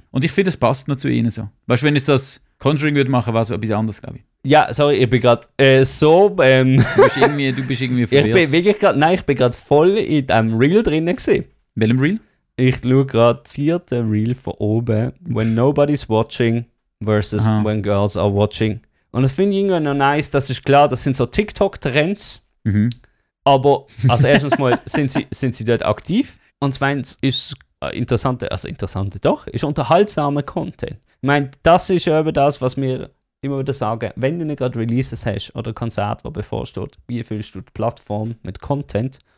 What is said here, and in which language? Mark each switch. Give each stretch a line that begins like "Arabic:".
German: Und ich finde, das passt noch zu ihnen so. Weißt du, wenn jetzt das Conjuring würde machen, wäre es etwas anderes, glaube ich. Ja, sorry, ich bin gerade Du bist irgendwie verwirrt. Ich bin wirklich gerade, nein, ich bin gerade voll in dem Reel drin gewesen. Welchem Reel? Ich schaue gerade das vierte Reel von oben.
English: When nobody's watching versus When girls are watching.
German: Und das finde ich irgendwie noch nice, das ist klar, das sind so TikTok-Trends. Mhm. Aber, also erstens mal sind sie dort aktiv. Und zweitens ist es ist unterhaltsamer Content. Ich meine, das ist ja eben das, was wir immer wieder sagen, wenn du nicht gerade Releases hast oder Konzert, wo bevorsteht, wie füllst du die Plattform mit Content?